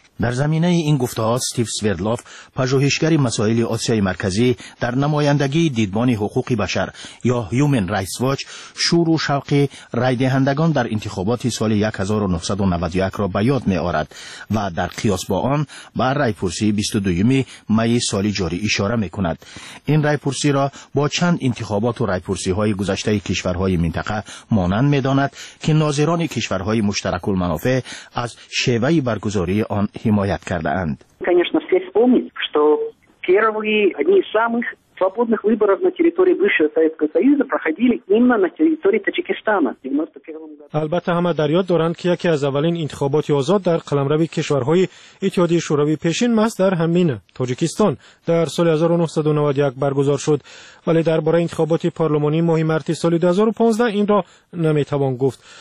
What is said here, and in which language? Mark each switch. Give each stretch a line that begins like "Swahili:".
Persian: در زمینه این گفته ها استیو سوردلوف، پژوهشگر مسائل آسیای مرکزی در نمایندگی دیدبان حقوق بشر یا Human Rights Watch، شور و شوق رای دهندگان در انتخابات سال 1991 را به یاد می آورد و در قیاس با آن به رای پرسی 22 می سال جاری اشاره می کند. این رای پرسی را با چند انتخابات و رای پرسی های گذشته کشورهای منطقه مانند می داند که ناظران کشورهای مشترک المنافع از شیوه برگزاری آن حمایت کرده اند.
Russian: Конечно, все вспомнят, что первые одни из самых свободных выборов на территории бывшего Советского Союза проходили именно на территории Таджикистана.
Persian: البته همه در یاد دارند که یکی از اولین انتخابات آزاد در قلمرو کشورهای اتحادیه شوروی پیشین ماست در همین تاجیکستان در سال 1991 برگزار شد، ولی درباره انتخابات پارلمانی ماه مارس سال 2015 این را نمیتوان گفت.